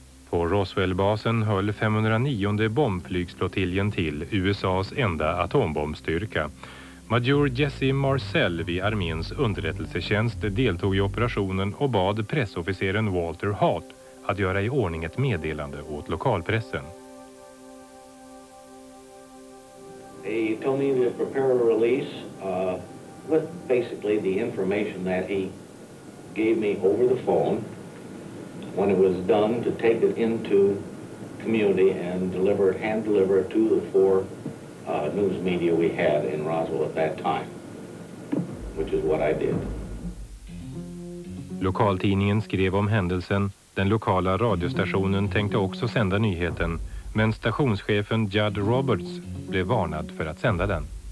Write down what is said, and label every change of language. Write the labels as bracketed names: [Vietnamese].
[Swedish] På Roswell-basen höll 509:e bombflygsflottiljen till, USA:s enda atombombstyrka. Major Jesse Marcel vid arméns underrättelsetjänst deltog i operationen och bad pressofficeren Walter Hart att göra i ordning ett meddelande åt lokalpressen. [English] They told me we'll prepare a release with basically the information that he gave me over the phone. When it was done, to take it into community and deliver it, hand deliver it to the four news media we had in Roswell at that time, which is what I did. [Swedish] Lokaltidningen skrev om händelsen. Den lokala radiostationen tänkte också sända nyheten, men stationschefen Judd Roberts blev varnad för att sända den.